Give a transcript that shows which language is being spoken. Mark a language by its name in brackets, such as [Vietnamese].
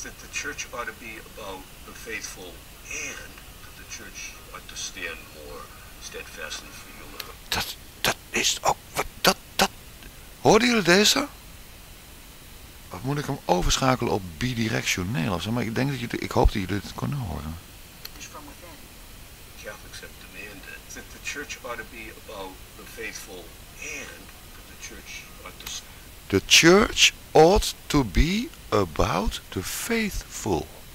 [English] Church ought to be about the faithful and that the church ought to stand more steadfastly for you. [Dutch] Dat is ook wat dat hoorden jullie deze? Of moet ik hem overschakelen op bidirectioneel of zo? Maar ik hoop dat jullie het kunnen horen. [English] Catholics have demanded that the church ought to be about the faithful and that the church ought to stand. The church ought to be about the faithful.